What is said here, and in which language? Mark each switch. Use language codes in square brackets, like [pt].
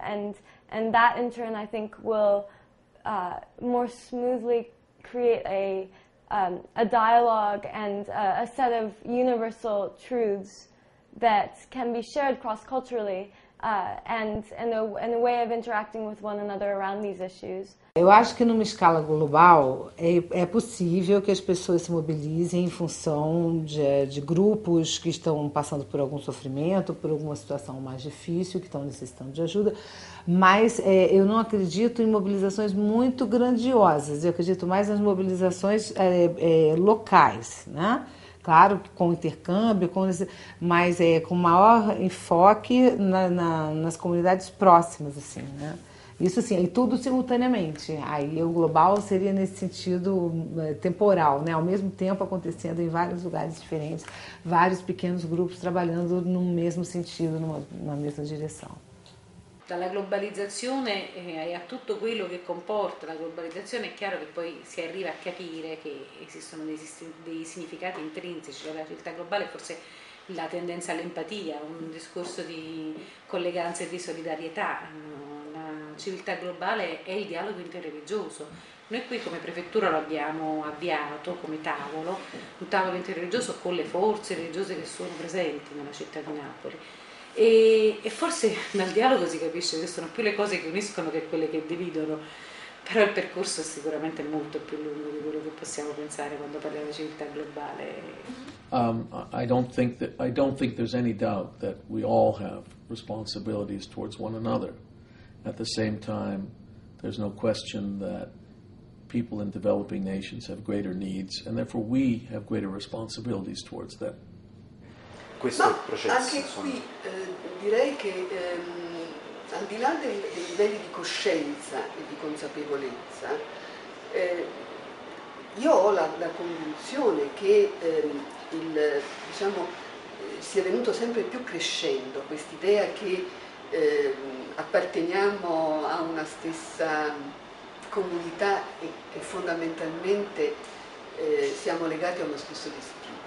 [en] And that, in turn, I think, will more smoothly create a dialogue and a set of universal truths that can be shared cross-culturally and a way of interacting with one another around these issues. [pt] Eu acho que numa escala global é possível que as pessoas se mobilizem em função de grupos que estão passando por algum sofrimento, por alguma situação mais difícil, que estão necessitando de ajuda, mas eu não acredito em mobilizações muito grandiosas, eu acredito mais nas mobilizações locais, né? Claro, com intercâmbio, mas com maior enfoque nas comunidades próximas, assim, né? Isso sim, e tudo simultaneamente. Aí o global seria nesse sentido temporal, né? Ao mesmo tempo acontecendo em vários lugares diferentes, vários pequenos grupos trabalhando no mesmo sentido, numa mesma direção. [it] Dalla globalizzazione e a tutto quello che comporta la globalizzazione, è chiaro che poi si arriva a capire che esistono dei significati intrinseci. La realtà globale è forse la tendenza all'empatia, un discorso di colleganza e di solidarietà. Civiltà globale è il dialogo interreligioso. Noi qui come prefettura lo abbiamo avviato come tavolo, un tavolo interreligioso con le forze religiose che sono presenti nella città di Napoli. E forse dal dialogo si capisce che sono più le cose che uniscono che quelle che dividono, però il percorso è sicuramente molto più lungo di quello che possiamo pensare quando parliamo di civiltà globale. [en] I don't think there's any doubt that we all have responsibilities towards one another. At the same time, there's no question that people in developing nations have greater needs and therefore we have greater responsibilities towards them. [it] Questo processo. Anche qui direi che al di là dei livelli di coscienza e di consapevolezza, io ho la convinzione che sia venuto sempre più crescendo quest'idea che apparteniamo a una stessa comunità e fondamentalmente siamo legati a uno stesso destino.